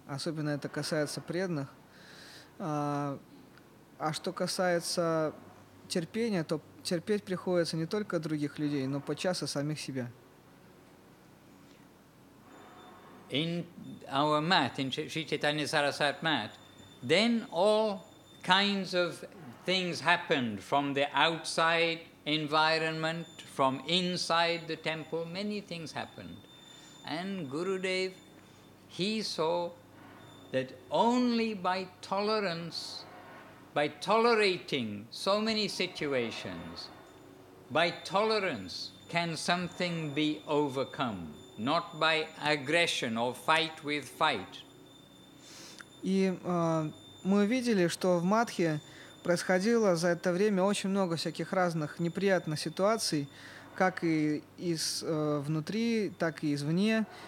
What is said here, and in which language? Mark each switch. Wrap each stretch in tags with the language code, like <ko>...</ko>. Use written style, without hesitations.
<ru>Особенно это касается преданных. А что касается терпения, то терпеть приходится не только других людей, но подчас и самих себя.</ru> <en>In our mat, in Sri Chaitanya Sarasat mat, then all kinds of things happened from the outside environment, from inside the temple, many things happened. And Gurudev, he saw that only by tolerance, by tolerating so many situations, by tolerance can something be overcome, not by aggression or fight with fight.</en> <ru>И мы видели, что в Мадхе происходило за это время очень много всяких разных неприятных ситуаций, как и из внутри, так и извне.</ru>